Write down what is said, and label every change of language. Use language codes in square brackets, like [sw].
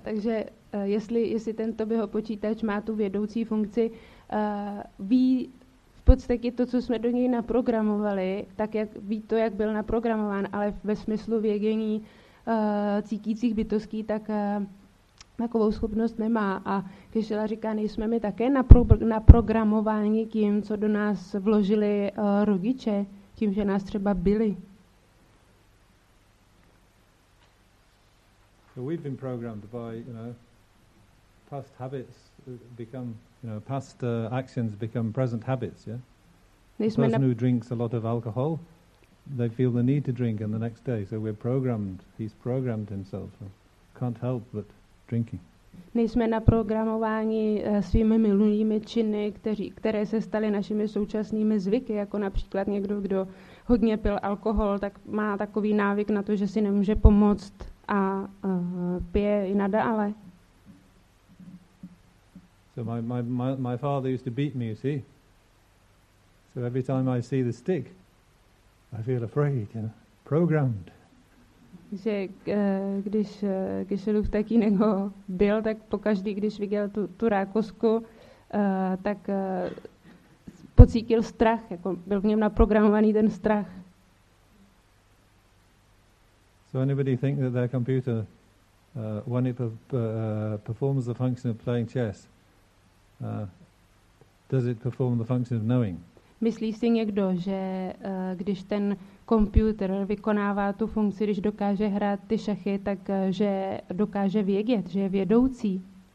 [cs] Takže jestli ten Tobyho počítač má tu vědoucí funkci, ví v podstatě to, co jsme do něj naprogramovali, tak jak ví to, jak byl naprogramován, ale ve smyslu vědění cítících bytostí, tak takovou schopnost nemá. A Kešila říká, nejsme my také naprogramováni tím, co do nás vložili rodiče, tím, že nás třeba byli. [en] So we've been programmed by, you know, past habits become, you know, past actions become present habits, yeah? [cs] Nejsme [en] a person who drinks a lot of alcohol, they feel the need to drink on the next day, so we're programmed, he's programmed himself, so can't help but drinking. [cs] Nejsme naprogramováni svými minulými činy, které se staly našimi současnými zvyky, jako například někdo, kdo hodně pil alkohol, tak má takový návyk na to, že si nemůže pomoct a pije i nadále. [en] So my father used to beat me, you see. So every time I see the stick, I feel afraid, you know, programmed. [cs] Že když Kešelův tatínek ho byl, tak pokaždý, když viděl tu rákosku, tak pocítil strach, jako byl v něm naprogramovaný ten strach. [en] So anybody think that their computer, when it performs the function of playing chess, does it perform the function of knowing? [cs] Myslí si někdo, že když ten počítač vykonává tu funkci, když dokáže hrát ty šachy, tak že dokáže vědět, že je vědoucí?